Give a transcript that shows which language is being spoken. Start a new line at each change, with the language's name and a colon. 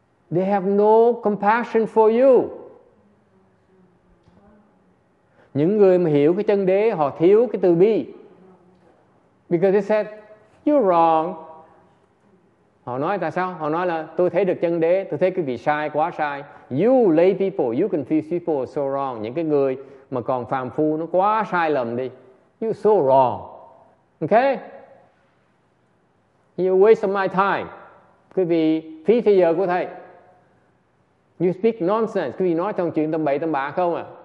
English: They have no compassion for you.
Vietnamese: Những người mà hiểu cái chân đế họ thiếu cái từ bi.
English: Because they said, you're wrong.
Vietnamese: Họ nói tại sao? Họ nói là tôi thấy được chân đế, tôi thấy cái vị sai, quá sai.
English: You lay people, you confuse people so wrong.
Vietnamese: Những cái người mà còn phàm phu nó quá sai lầm đi.
English: You so wrong.
Vietnamese: Okay?
English: You waste of my time.
Vietnamese: Quý vị phí thời giờ của thầy. You speak nonsense. Quý vị nói trong chuyện tâm bậy tâm bạ không à?